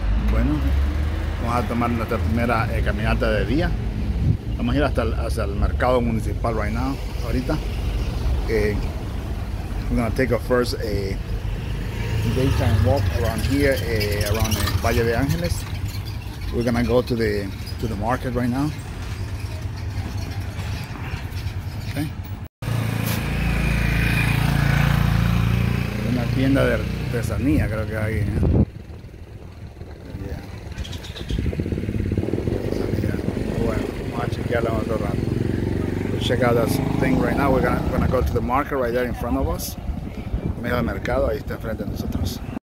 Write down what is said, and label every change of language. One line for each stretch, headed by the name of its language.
Spanish: Bueno, vamos a tomar nuestra primera caminata de día. Vamos a ir hasta el mercado municipal
English: right now,
Spanish: ahorita.
English: We're gonna take our first daytime walk around here, around Valle de Ángeles. We're gonna go to the market right now.
Spanish: Tienda de artesanía, creo que hay, ¿eh? Yeah. Bueno, vamos a chequearla otro rato.
English: We'll check out this thing right now. We're gonna go to the market right there in front of us.
Spanish: Medio del mercado, ahí está enfrente de nosotros.